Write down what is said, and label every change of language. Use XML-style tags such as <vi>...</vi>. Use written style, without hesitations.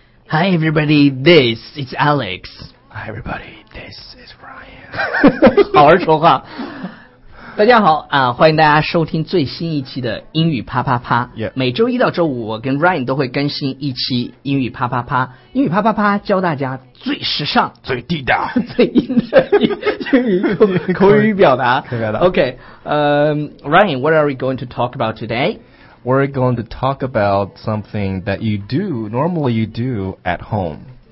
<en>Hi everybody, this is Alex. Hi everybody, this is Ryan.</en> <zh>好好说话。大家好啊，欢迎大家收听最新一期的英语啪啪啪。 Yeah. 每周一到周五，我跟 Ryan 都会更新一期英语啪啪啪。英语啪啪啪教大家最时尚、最地道、最英的口语表达。</zh> <en>Okay, Ryan, what are we going to talk about today? We're going to talk about something that you do, normally you do at home.</en>